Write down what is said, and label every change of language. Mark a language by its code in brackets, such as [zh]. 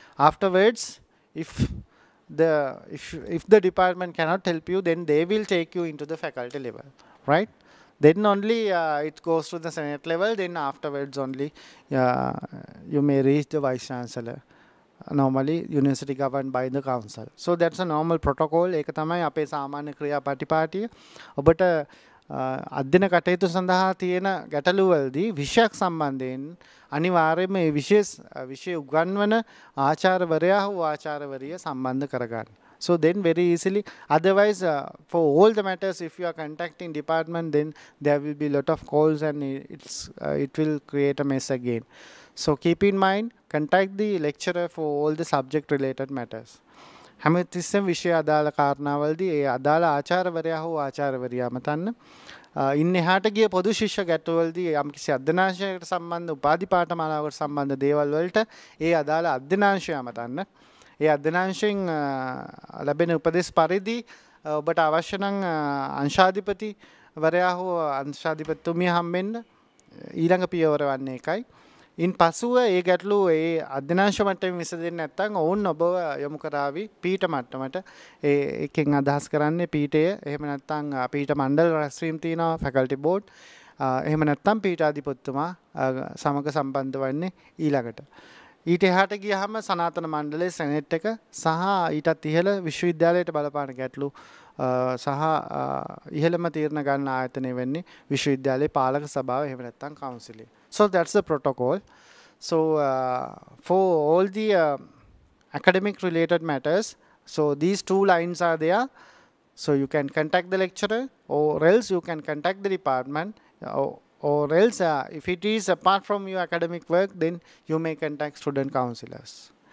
[en] Afterwards, if the department cannot help you, then they will take you into the faculty level, right? Then only it goes to the senate level. Then afterwards only you may reach the vice chancellor. Normally, university governed by the council. So that's a normal protocol. [si] ඒක තමයි අපේ සාමාන්‍ය ක්‍රියාපටිපාටිය. ඔබට අධ්‍යන කටයුතු සඳහා තියෙන ගැටලු වලදී විෂයක් සම්බන්ධයෙන් අනිවාර්යයෙන්ම මේ විෂය උගන්වන ආචාර්යවරයා හෝ ආචාර්යවරිය සම්බන්ධ කරගන්න. [en] So then very easily, otherwise for all the matters, if you are contacting department, then there will be a lot of calls and it will create a mess again. So keep in mind, contact the lecturer for all the subject related matters. [si] හැම තිස්සෙම විෂය අදාළ කාරණාවල්දී ඒ අදාළ ආචාර්යවරයා හෝ ආචාර්යවරියා මතන්න ඉන්නහාට ගිය පොදු ශිෂ්‍ය ගැටවලදී යම් කිසි අධ්‍යනාංශයකට සම්බන්ධ උපාධි පාඨමාලාවකට සම්බන්ධ දේවල් වලට ඒ අදාළ අධ්‍යනාංශය මතන්න ඒ අධ්‍යනාංශයෙන් ලැබෙන උපදෙස් පරිදි ඔබට අවශ්‍ය නම් අංශාධිපතිවරයා හෝ අංශාධිපතිතුමිය හම්බෙන්න ඊළඟ පියවර වන්නේ එකයි ඉන් පසුව ඒ ගැටලු ඒ අධ්‍යනාංශ මට්ටමින් විසඳෙන්නේ නැත්නම් ඔවුන් ඔබව යොමු කරાવી පීඨ මට්ටමට ඒ එකෙන් අදහස් කරන්නේ පීඨය එහෙම නැත්නම් පීඨ මණ්ඩල රැස්වීම තියෙනවා ෆැකල්ටි බෝඩ් එහෙම නැත්නම් පීඨාධිපතිතුමා සමග සම්බන්ධ වෙන්නේ ඊළඟට ඊට එහාට ගියහම සනාතන මණ්ඩලයේ සෙනෙට් එක සහ ඊටත් ඉහළ විශ්වවිද්‍යාලයට බලපාන ගැටලු සහ ඉහළම තීරණ ගන්න ආයතනය වෙන්නේ විශ්වවිද්‍යාලයේ පාලක සභාව එහෙම නැත්නම් කවුන්සිලිය [en] So that's the protocol. So for all the academic related matters, so these two lines are there. So you can contact the lecturer or else you can contact the department or else if it is apart from your academic work, then you may contact student counselors.